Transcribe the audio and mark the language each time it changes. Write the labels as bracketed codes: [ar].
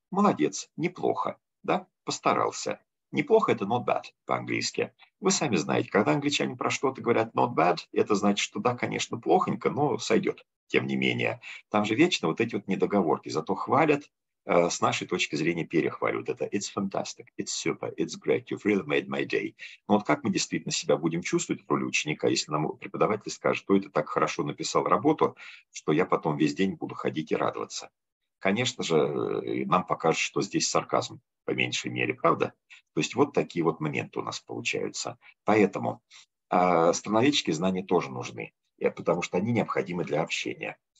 [ru] Молодец, неплохо, да, постарался. Неплохо – это [en] not bad [ru] по-английски. Вы сами знаете, когда англичане про что-то говорят [en] not bad, [ru] это значит, что да, конечно, плохонько, но сойдет, тем не менее. Там же вечно вот эти вот недоговорки, зато хвалят, с нашей точки зрения перехвалят это. [en] It's fantastic, it's super, it's great, you've really made my day. [ru] Но вот как мы действительно себя будем чувствовать в роли ученика, если нам преподаватель скажет, что это так хорошо написал работу, что я потом весь день буду ходить и радоваться. Конечно же, нам покажут, что здесь сарказм, по меньшей мере, правда? То есть вот такие вот моменты у нас получаются. Поэтому страновеческие знания тоже нужны, потому что они необходимы для общения.